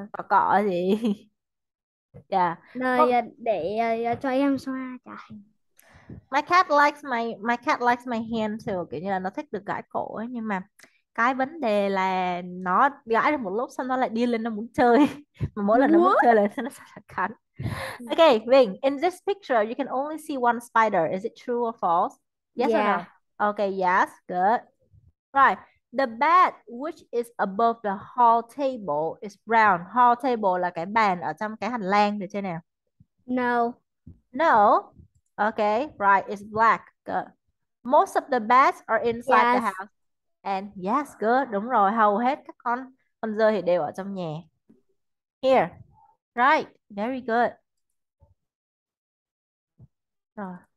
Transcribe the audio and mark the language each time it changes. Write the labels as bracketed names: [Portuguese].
[Vietnamese] cọ gì. [English] Yeah. [Vietnamese] nơi [English] Well, [Vietnamese] để cho em xoa chạy. [English] my cat likes my hand too. [Vietnamese] Kiểu như là nó thích được gãi cổ ấy. Nhưng mà cái vấn đề là nó gãi được một lúc xong nó lại đi lên nó muốn chơi. Mà mỗi lần nó muốn [English] What? [Vietnamese] chơi là nó sẽ cắn. [English] Okay, Vinh, in this picture you can only see one spider. Is it true or false? Yes or no? Yeah. Okay, yes, good. Right. The bed which is above the hall table is brown. [Vietnamese] Hall table là cái bàn ở trong cái hành lang được chưa nào? [English] No. No. Okay, right, it's black. Good. Most of the beds are inside the house. Yes. And yes, good. [Vietnamese] Đúng rồi, hầu hết các con dơi thì đều ở trong nhà. [English] Here. Right, very good. [Vietnamese] Rồi.